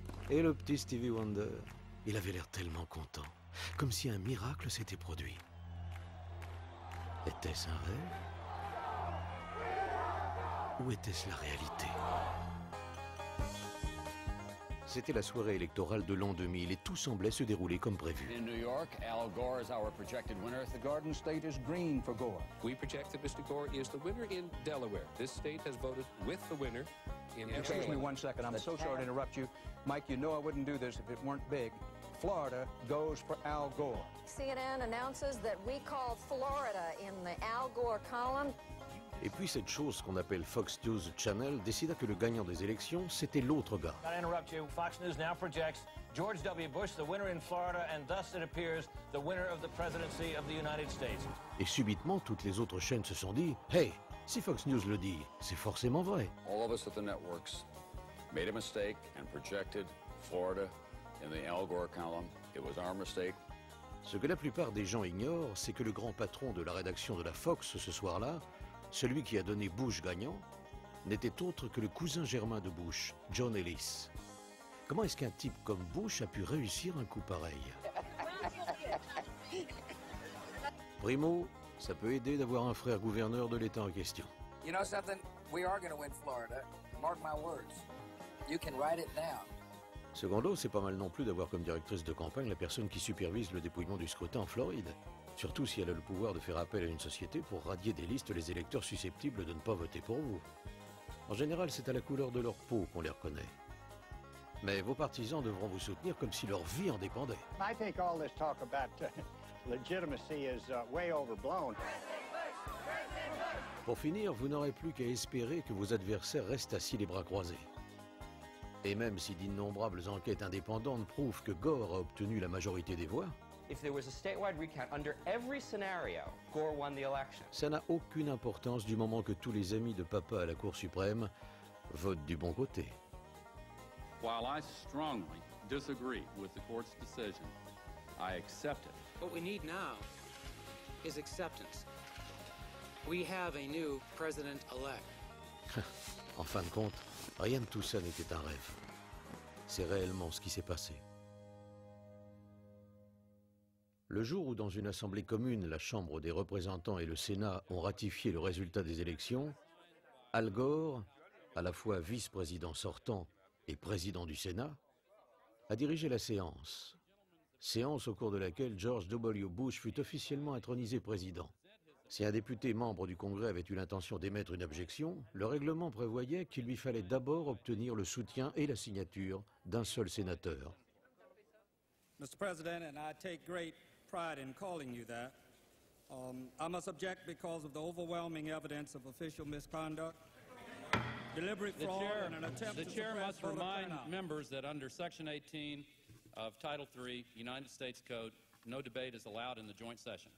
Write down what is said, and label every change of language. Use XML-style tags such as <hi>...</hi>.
<fr>Et le petit Stevie Wonder, il avait l'air tellement content. Comme si un miracle s'était produit. Était-ce un rêve? Ou était-ce la réalité? C'était la soirée électorale de l'an 2000 et tout semblait se dérouler comme prévu.</fr> <en>In New York, Al Gore is our projected winner. The Garden State is green for Gore. We project that Mr. Gore is the winner in Delaware. This state has voted with the winner in Delaware. Excuse me one second, I'm so sorry to interrupt you. Mike, you know I wouldn't do this if it weren't big. Florida goes for Al Gore. CNN announces that we called Florida in the Al Gore column.</en> <fr>Et puis cette chose qu'on appelle Fox News Channel décida que le gagnant des élections, c'était l'autre gars.</fr> <en>I interrupt you. Fox News now projects George W. Bush, the winner in Florida, and thus it appears the winner of the presidency of the United States.</en> <fr>Et subitement, toutes les autres chaînes se sont dit, hey, si Fox News le dit, c'est forcément vrai.</fr> <en>All of us at the networks made a mistake and projected Florida in the Al Gore column. It was our mistake.</en> <fr>Ce que la plupart des gens ignorent, c'est que le grand patron de la rédaction de la Fox ce soir-là, celui qui a donné Bush gagnant, n'était autre que le cousin germain de Bush, John Ellis. Comment est-ce qu'un type comme Bush a pu réussir un coup pareil? Primo, ça peut aider d'avoir un frère gouverneur de l'État en question.</fr> <en>You know something? We are going to win Florida. Mark my words. You can write it down.</en> <fr>Secondo, c'est pas mal non plus d'avoir comme directrice de campagne la personne qui supervise le dépouillement du scrutin en Floride. Surtout si elle a le pouvoir de faire appel à une société pour radier des listes les électeurs susceptibles de ne pas voter pour vous. En général, c'est à la couleur de leur peau qu'on les reconnaît. Mais vos partisans devront vous soutenir comme si leur vie en dépendait.</fr> <en>I think all this talk about legitimacy is way overblown.</en> <fr>Pour finir, vous n'aurez plus qu'à espérer que vos adversaires restent assis les bras croisés. Et même si d'innombrables enquêtes indépendantes prouvent que Gore a obtenu la majorité des voix, ça n'a aucune importance du moment que tous les amis de papa à la Cour suprême votent du bon côté.</fr> <en>While I strongly disagree with the court's decision, I accept it. What we need now is acceptance. We have a new president-elect.</en> <fr>En fin de compte, rien de tout ça n'était un rêve. C'est réellement ce qui s'est passé. Le jour où, dans une assemblée commune, la Chambre des représentants et le Sénat ont ratifié le résultat des élections, Al Gore, à la fois vice-président sortant et président du Sénat, a dirigé la séance. Séance au cours de laquelle George W. Bush fut officiellement intronisé président. Si un député membre du Congrès avait eu l'intention d'émettre une objection, le règlement prévoyait qu'il lui fallait d'abord obtenir le soutien et la signature d'un seul sénateur.</fr> <en>Mr. President, and I take great pride in calling you that. I must object because of the overwhelming evidence of official misconduct, deliberate fraud, and an attempt to suppress voter turnout. The chair must remind members that under Section 18 of Title 3, United States Code, no debate is allowed in the joint session.</en>